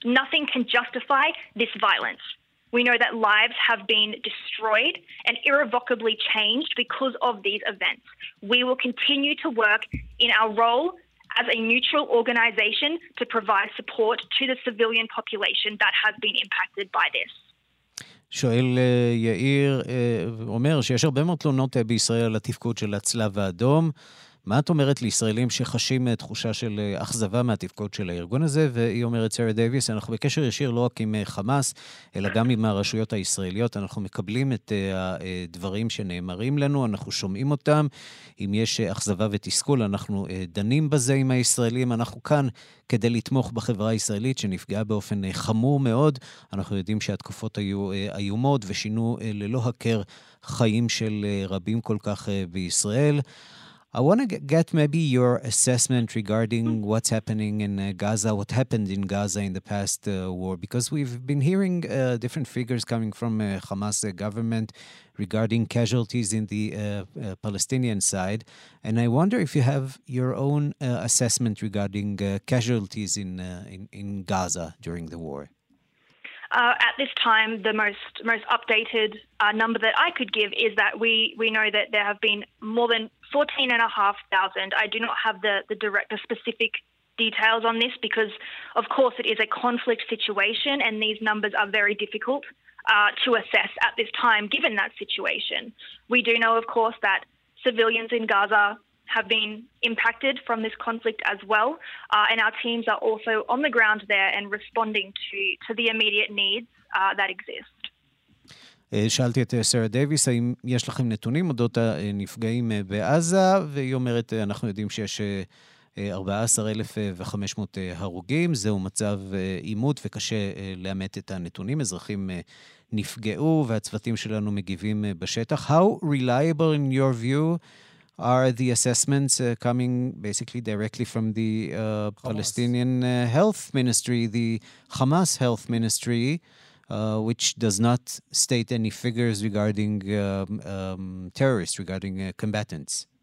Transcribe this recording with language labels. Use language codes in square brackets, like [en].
[en] Nothing can justify this violence. We know that lives have been destroyed and irrevocably changed because of these events. We will continue to work in our role as a neutral organization to provide support to the civilian population that has been impacted by this. [he] שואל יאיר, אומר שיש הרבה מאוד תלונות בישראל על התפקוד של הצלב האדום, מה את אומרת לישראלים שחשים תחושה של אכזבה מהתפקוד של הארגון הזה? והיא אומרת, סרה דייביס, אנחנו בקשר ישיר לא רק עם חמאס, אלא גם עם הרשויות הישראליות. אנחנו מקבלים את הדברים שנאמרים לנו, אנחנו שומעים אותם. אם יש אכזבה ותסכול, אנחנו דנים בזה עם הישראלים. אנחנו כאן כדי לתמוך בחברה הישראלית שנפגעה באופן חמור מאוד. אנחנו יודעים שהתקופות היו איומות ושינו ללא הכר חיים של רבים כל כך בישראל. [en] I want to get maybe your assessment regarding what's happening in Gaza, what happened in Gaza in the past war, because we've been hearing different figures coming from Hamas government regarding casualties in the Palestinian side. And I wonder if you have your own assessment regarding casualties in Gaza during the war. At this time, the most updated number that I could give is that we know that there have been more than 14,500. I do not have the direct or specific details on this because, of course, it is a conflict situation and these numbers are very difficult to assess at this time, given that situation. We do know, of course, that civilians in Gaza have been impacted from this conflict as well, and our teams are also on the ground there and responding to the immediate needs that exist. [he] שאלתי את סרה דייביס, האם יש לכם נתונים אודות הנפגעים בעזה, והיא אומרת, אנחנו יודעים שיש 14,500 הרוגים, זהו מצב עימות וקשה לאמת את הנתונים, אזרחים נפגעו והצוותים שלנו מגיבים בשטח. [en] How reliable in your view are the assessments coming basically directly from the Palestinian health ministry, the Hamas health ministry, which does not state any figures regarding terrorists, regarding combatants?